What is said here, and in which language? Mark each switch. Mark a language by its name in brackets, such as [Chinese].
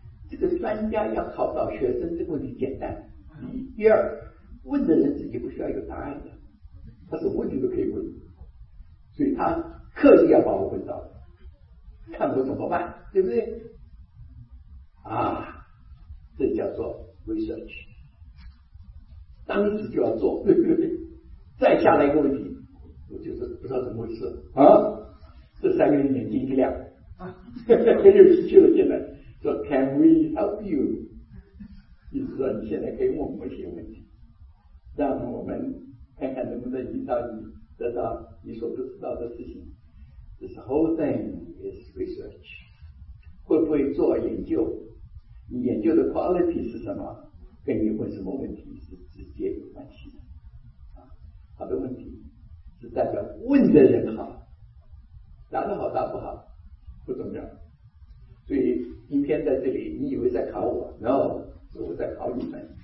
[Chinese] 这个专家要考到学生这个问题简单，第二问的人自己不需要有答案的，他什么问题都可以问，所以他刻意要把我问到，看我怎么办，对不对啊？这叫做 research， 当时就要做，对不对？再下来一个问题，我就是不知道怎么回事啊，这三个人眼睛一亮啊，又失去了。现在说 [English] Can we help you？ [Chinese] 意思说你现在可以问我们一些问题，让我们看看能不能引导你得到你所不知道的事情。 [English] This whole thing is research， [Chinese] 会不会做研究？你研究的 quality 是什么？跟你问什么问题是直接有关系的。好的问题是代表问的人好，答得好答不好不重要。所以今天在这里，你以为在考我 ？ [English] No， [Chinese] 是我在考你们。